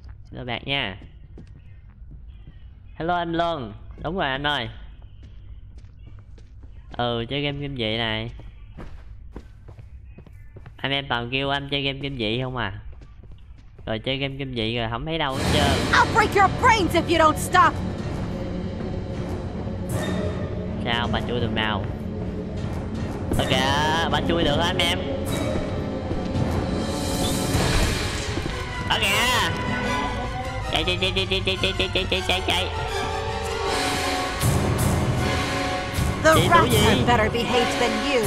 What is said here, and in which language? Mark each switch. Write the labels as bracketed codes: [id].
[vi] Hello bạn nha. Hello anh Lương. Đúng rồi anh ơi. Ừ, chơi game kinh dị này. Anh em toàn kêu anh chơi game kinh dị không à. Rồi chơi game kinh dị rồi không thấy đâu hết trơn. [en] I'll break your brains if you don't stop. [vi] Sao bà chui được nào? Ok kìa, bà chui được anh em. Ok kìa. Chạy chạy chạy chạy chạy chạy chạy chạy chạy chạy chạy chạy. [en] The rats are better behaved than you.